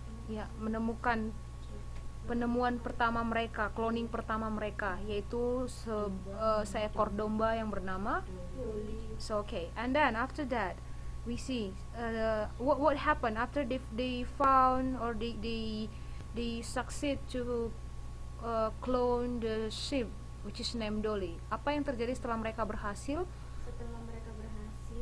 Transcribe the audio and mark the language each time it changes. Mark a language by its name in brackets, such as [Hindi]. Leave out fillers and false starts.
[Indonesian] Ya, menemukan penemuan pertama mereka, cloning pertama mereka, yaitu seekor domba yang bernama Woolly. [English] So okay, and then after that, we see what happened after they found or they succeed to clone the sheep, which is named Dolly. [Indonesian] Apa yang terjadi setelah mereka berhasil? Setelah mereka berhasil.